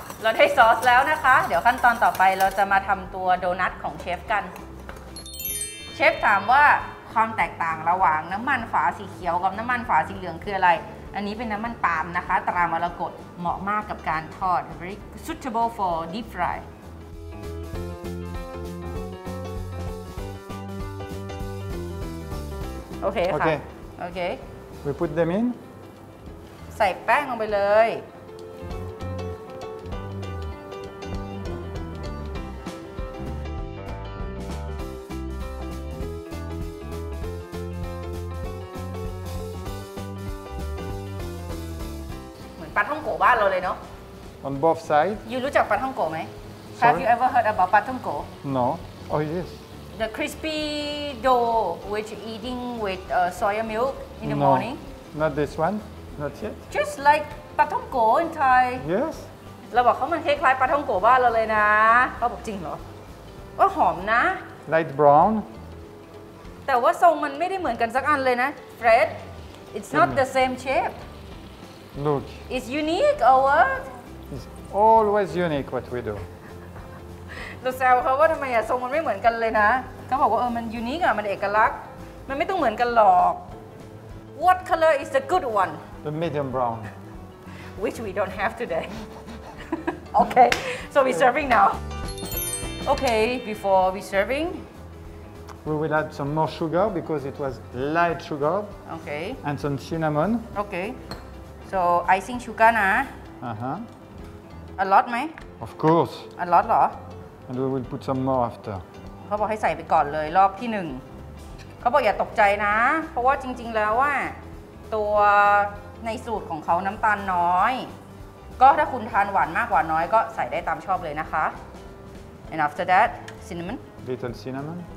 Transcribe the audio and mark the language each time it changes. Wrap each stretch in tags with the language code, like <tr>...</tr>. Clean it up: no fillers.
<th>เราได้ซอสแล้วนะคะเดี๋ยวขั้นตอนต่อไปเราจะมาทำตัวโดนัทของเชฟกันเชฟถามว่าความแตกต่างระหว่างน้ำมันฝาสีเขียวกับน้ำมันฝาสีเหลืองคืออะไรอันนี้เป็นน้ำมันปาล์มนะคะตรามรกตเหมาะมากกับการทอด</th> <en>very suitable for deep fry</en> <th>โอเคค่ะ</th> <en>โอเค we put them in</en> <th>ใส่แป้งลงไปเลยปลาท่องโกะบ้านเราเลยเนาะ</th> <en>On both sides You</en> <th>รู้จักปลาท่องโกะไหม</th> <en>Have you ever heard about ปลาท่องโกะ No Oh yes The crispy dough which you're eating with soy milk in the no. morning Not this one Not yet Just like ปลาท่องโกะ in Thai Yes</en> <th>เราบอกเขามันคล้ายปลาท่องโกะบ้านเราเลยนะเขาบอกจริงเหรอว่าหอมนะ</th> <en>Light brown</en> <th>แต่ว่าทรงมันไม่ได้เหมือนกันสักอันเลยนะ Fred</th> <en>It's not the same shape Look. It's unique or what? It's always unique what we do.</en> <th>เราแซวเขาว่าทำไมอะทรงมันไม่เหมือนกันเลยนะเขาบอกว่าเออมันยูนิคอะมันเอกลักษณ์มันไม่ต้องเหมือนกันหรอก</th> <en>What color is the good one? The medium brown. Which we don't have today. okay, so we're serving now. Okay, before we serving. We will add some more sugar because it was light sugar. Okay. And some cinnamon. Okay. So icing sugar นะ uh-huh. a lot ไหม of course a lot หร อ and we will put some more after</en> <th>เขาบอกให้ใส่ไปก่อนเลยรอบที่หนึ่งเขาบอกอย่าตกใจนะเพราะว่าจริงๆแล้วว่าตัวในสูตรของเขาน้ำตาลน้อยก็ถ้าคุณทานหวานมากหวานน้อยก็ใส่ได้ตามชอบเลยนะคะ</th> <en>and after that cinnamon little cinnamon</en>